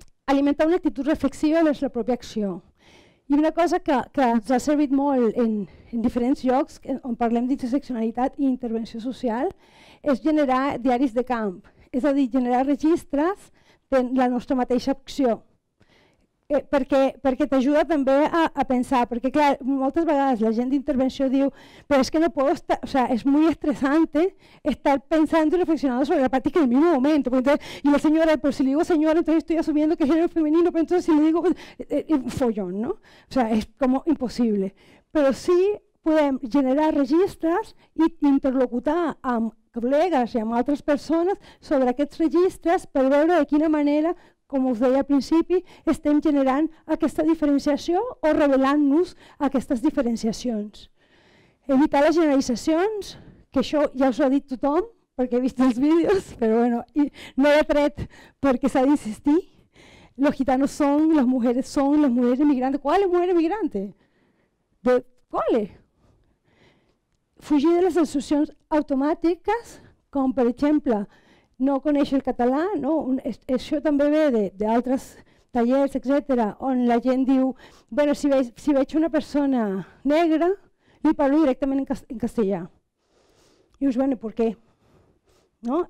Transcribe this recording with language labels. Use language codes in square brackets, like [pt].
[ca] Alimentar una actitud reflexiva de la pròpia acció. I una cosa que ens ha servit molt en diferents llocs on parlem d'interseccionalitat i intervenció social és generar diaris de camp, és a dir, generar registres de la nostra mateixa acció. Perquè t'ajuda també a pensar, perquè clar, moltes vegades la gent d'intervenció diu però és que [es] no puedo estar, o sea, es muy estresante estar pensando y reflexionando sobre la práctica en el mismo momento. Entonces, y la señora, pero si le digo señora, entonces estoy asumiendo que es género femenino, pero entonces si le digo follón, ¿no? O sea, es como imposible. [ca] Pero sí podem generar registres i interlocutar amb col·legues i amb altres persones sobre aquests registres per veure de quina manera, com us deia al principi, estem generant aquesta diferenciació o revelant-nos aquestes diferenciacions. Evitar les generalitzacions, que això ja us ho ha dit tothom, perquè he vist els vídeos, però bueno, i no l'he tret perquè s'ha d'insistir. [es] Los gitanos son, las mujeres son, las mujeres migrantes. ¿Cuál es mujer migrante? ¿De cuál es? [ca] Fugir de les assumpcions automàtiques, com per exemple, no conèixer el català, no? Això també ve d'altres tallers, etc., on la gent diu, bueno, si veig una persona negra, li parlo directament en castellà. I us bueno, per què? No?